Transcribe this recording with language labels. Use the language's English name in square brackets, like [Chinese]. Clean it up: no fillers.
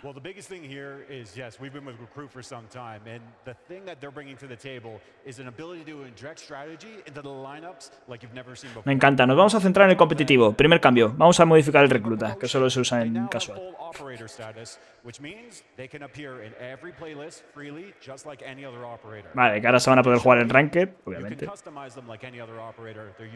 [English] Well, the biggest thing here is, yes, we've been with Recruit for some time, and the thing that they're bringing to the table is an ability to inject strategy into the lineups like you've never seen before. [Spanish] Me encanta. Nos vamos a centrar en el competitivo. Primer cambio. Vamos a modificar el recluta, que solo se usa en casual. [English] They now have full operator status, which means they can appear in every playlist freely, just like any other operator. [Spanish] Vale, que ahora se van a poder jugar en ranked, obviamente. [English] You can customize them like any other operator.